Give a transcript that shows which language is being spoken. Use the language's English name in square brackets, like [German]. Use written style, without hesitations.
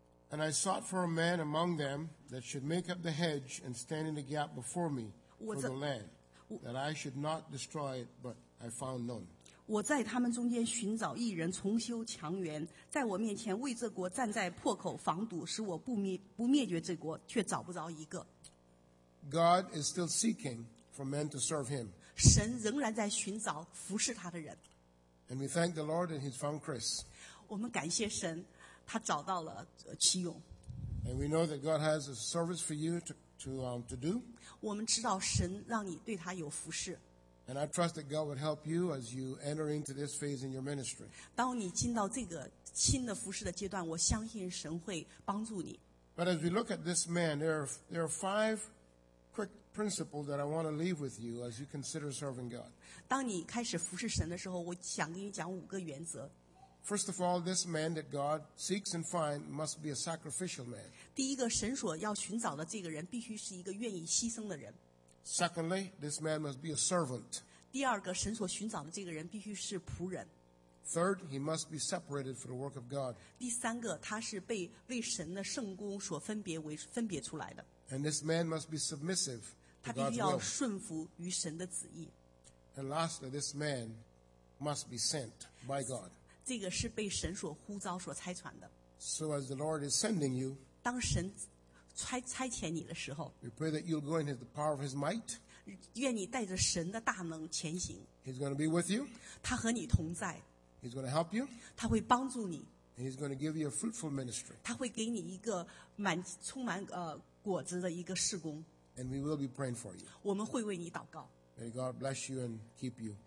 [English] And I sought for a man among them that should make up the hedge and stand in the gap before me for the land, that I should not destroy it, but I found none. [Chinese] 我在他们中间寻找一人重修墙垣，在我面前为这国站在破口防堵，使我不灭绝这国，却找不着一个。 [English] God is still seeking for men to serve Him. [Chinese] 神仍然在寻找服侍他的人。 [English] And we thank the Lord that He's found Chris. [Chinese] 我们感谢神，他找到了齐勇。 [English] And we know that God has a service for you to do. [Chinese] 我们知道神让你对他有服侍。 [English] And I trust that God would help you as you enter into this phase in your ministry. [Chinese] 当你进到这个新的服事的阶段，我相信神会帮助你。 [English] But as we look at this man, there are five quick principles that I want to leave with you as you consider serving God. [Chinese] 当你开始服事神的时候，我想跟你讲五个原则。 [English] First of all, this man that God seeks and finds must be a sacrificial man. [Chinese] 第一个，神所要寻找的这个人必须是一个愿意牺牲的人。 [English] Secondly, this man must be a servant. [Chinese] 第二个，神所寻找的这个人必须是仆人。 [English] Third, he must be separated for the work of God. [Chinese] 第三个，他是被为神的圣工所分别出来的。 [English] And this man must be submissive to God's will. [Chinese] 他必须要顺服于神的旨意。 [English] And lastly, this man must be sent by God. [Chinese] 这个是被神所呼召、所差遣的。 [English] So as the Lord is sending you, [Chinese] 当神差遣你的时候， [English] we pray that you'll go in the power of His might. [Chinese] 愿你带着神的大能前行。 [English] He's going to be with you. [Chinese] 他和你同在。 [English] He's going to help you. [Chinese] 他会帮助你。 [English] And He's going to give you a fruitful ministry. [Chinese] 他会给你一个充满果子的一个事工。 [English] And we will be praying for you. [Chinese] 我们会为你祷告。 [English] May God bless you and keep you.